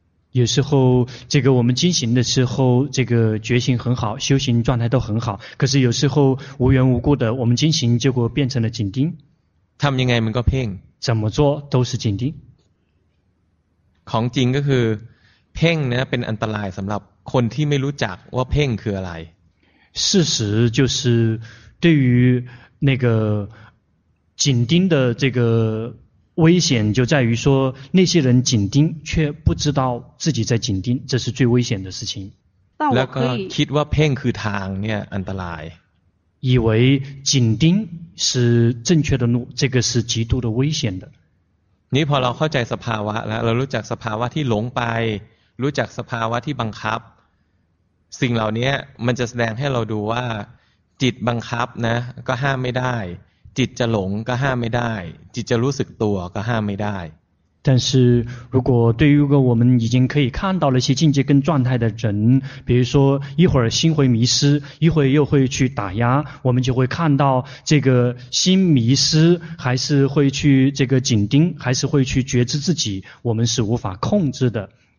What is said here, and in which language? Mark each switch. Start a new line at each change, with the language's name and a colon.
Chinese: 有时候这个我们进行的时候这个觉醒很好修行状态都很好可是有时候无缘无故的我们进行结果变成了紧盯
Thai: ทำยังไงมันก็เพ่ง
Chinese: 怎么做都是紧盯
Thai: ของจริงก็คือเพ่งเนี่ยเป็นอันตรายสำหรับคนที่ไม่รู้จักว่าเพ่งคืออะไร
Chinese: 事实就是对于那个紧盯的这个危险就在于说那些人紧盯却不知道自己在紧盯这是最危险的事情
Thai: แล้วก็คิดว่าเพ่งคือทางเนี่ยอันตราย
Chinese: 以为紧盯是正确的路这个是极度的危险的
Thai: นี่พอเราเข้าใจสภาวะแล้วเรารู้จักสภาวะที่หลงไปรู้จักสภาวะที่บังคับสิ่งเหล่านี้มันจะแสดงให้เราดูว่าจิตบังคับนะก็ห้ามไม่ได้จิตจะหลงก็ห้ามไม่ได้จิตจะรู้สึกตัวก็ห้ามไม่ได้
Chinese: 但是如果对于一个我们已经可以看到了一些境界跟状态的人比如说一会儿心会迷失一会儿又会去打压我们就会看到这个心迷失还是会去这个紧盯还是会去觉知自己我们是无法控制的